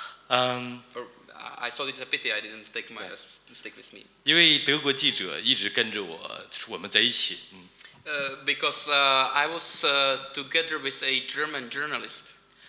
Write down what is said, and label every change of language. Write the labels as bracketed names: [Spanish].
[English] Or I thought it's a pity I didn't take my stick with me. [Chinese] 因为德国记者一直跟着我，我们在一起。 [English] Because I was together with a German journalist.